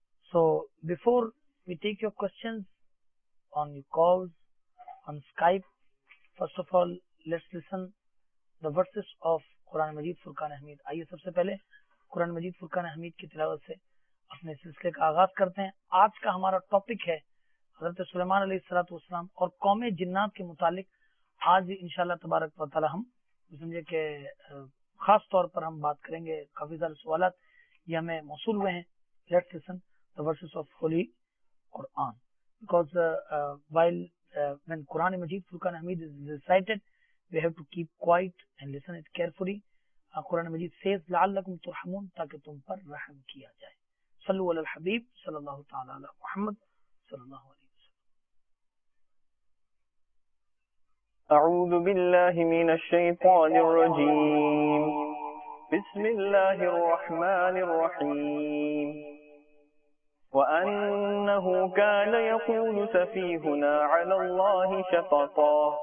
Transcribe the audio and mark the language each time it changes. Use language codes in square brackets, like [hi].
[en] So before we take your questions on your calls on Skype, first of all let's listen the verses of Quran Majeed Furqan Hamid. [ur] Aiye sabse pehle Quran Majeed Furqan Hamid ki tilawat se اپنے سلسلے کا آغاز کرتے ہیں. آج کا ہمارا topic ہے حضرت سلیمان علیہ الصلوۃ والسلام اور قوم جنات کے متعلق. آج انشاءاللہ تبارک و تعالی ہم سمجھے کہ خاص طور پر ہم بات کریں گے, کافی سارے سوالات یہ ہمیں موصول ہوئے ہیں. [en] Let's listen the verses of Holy Quran because when Quran Majeed Furqan Hamid is recited we have to keep quiet and listen it carefully. Quran Majeed says [ar] لعلکم ترحمون [ur] تاکہ تم پر رحم کیا جائے. [ar] صلو علی الحبیب صلی اللہ تعالی علی محمد صلی اللہ علیہ وسلم. اعوذ باللہ من الشیطان الرجیم بسم اللہ الرحمن الرحیم وانه کان یقول سفیہنا علی اللہ شططا